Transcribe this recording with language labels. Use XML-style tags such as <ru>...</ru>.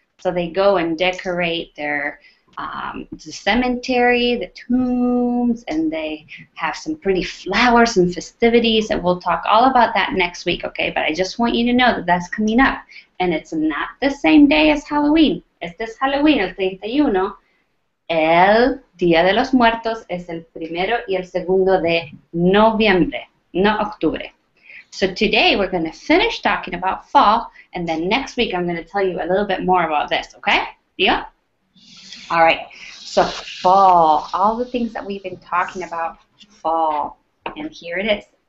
<en>So they go and decorate their the cemetery, the tombs, and they have some pretty flowers and festivities, and we'll talk all about that next week, okay? But I just want you to know that that's coming up, and it's not the same day as Halloween.</en> <es>Este es Halloween, el 31. El Día de los Muertos es el primero y el segundo de noviembre, no octubre.</es> <en>So today we're going to finish talking about fall, and then next week I'm going to tell you a little bit more about this, okay? Yeah? All right. So fall, all the things that we've been talking about, fall, and here it is.</en>